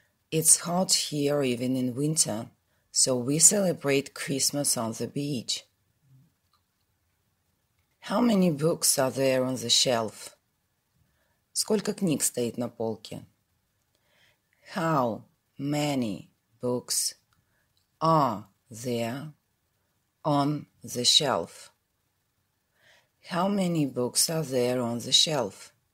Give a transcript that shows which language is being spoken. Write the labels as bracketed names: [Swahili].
[English] It's hot here even in winter, so we celebrate Christmas on the beach. How many books are there on the shelf? [Russian] Сколько книг стоит на полке? [English] How many books are there on the shelf? How many books are there on the shelf?